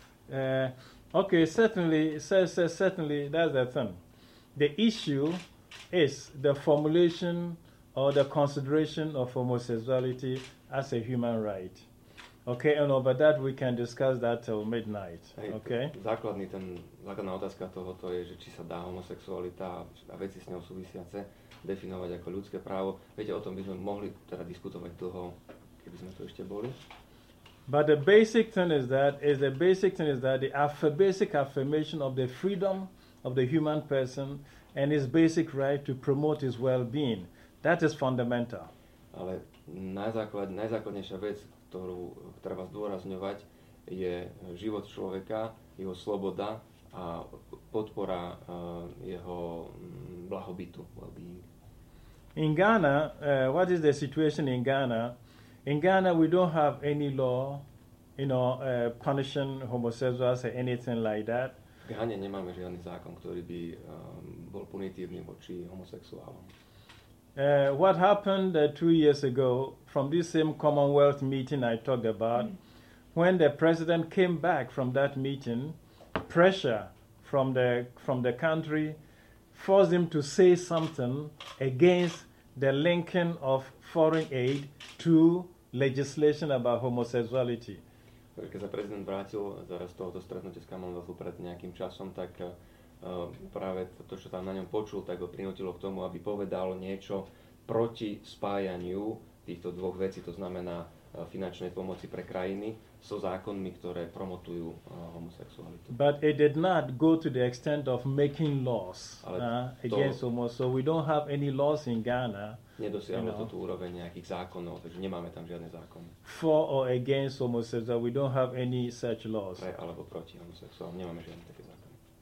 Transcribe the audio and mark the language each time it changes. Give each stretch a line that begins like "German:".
English: Certainly, that's the thing. The issue is the formulation or the consideration of homosexuality as a human right. Okay, and over that we can discuss that till midnight. Okay.
Slovak: Základná otázka tohoto je, že či sa dá homosexualita a veci s ňou súvisiace definovať ako ľudské právo. Viete, o tom by sme mohli teda diskutovať dlho, keby sme tu ešte boli.
English: But the basic thing is that basic affirmation of the freedom of the human person and his basic right to promote his well-being. That is fundamental.
Slovak: Ale najzákladnejšia vec, ktorú treba zdôrazňovať, je život človeka, jeho sloboda a podpora jeho blahobytu, well-being.
English: In Ghana, what is the situation in Ghana? In Ghana, we don't have any law, you know, punishing homosexuals or anything like that.
Slovak: V Ghane nemáme žiadny zákon, ktorý by bol punitívny voči homosexuálom.
English: What happened 2 years ago from this same Commonwealth meeting I talked about, when the president came back from that meeting, pressure from the country forced him to say something against the linking of foreign aid to legislation about homosexuality.
Slovak: Keď sa prezident vrátil zaraz tohoto stretnutia s Commonwealthu pred nejakým časom, tak práve to, čo tam na ňom počul, tak ho prinútilo k tomu, aby povedal niečo proti spájaniu týchto dvoch vecí, to znamená finančnej pomoci pre krajiny so zákonmi, ktoré promotujú homosexualitu.
English: But it did not go to the extent of making laws against homosexuality. So we don't have any laws in Ghana.
Slovak: Nedosiahlo to tú úroveň nejakých zákonov, takže nemáme tam žiadne zákony.
English: For or against homosexuality, we don't have any such laws.
Slovak: Pre alebo proti homosexuálom, nemáme žiadne také zákony.